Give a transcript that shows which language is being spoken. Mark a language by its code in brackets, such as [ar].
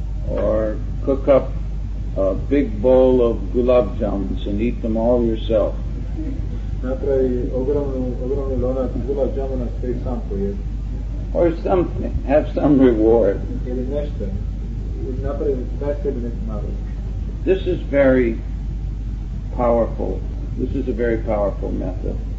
[en] Or cook up a big bowl of gulab jamuns and eat them all yourself. [hr] Napravi ogromni lonac gulab jamuna sve sam pojedi. [en] Or something, have some reward. [hr] Ili nešto. Napravi, daj sebi neki nagradu. [en] This is very powerful. This is a very powerful method.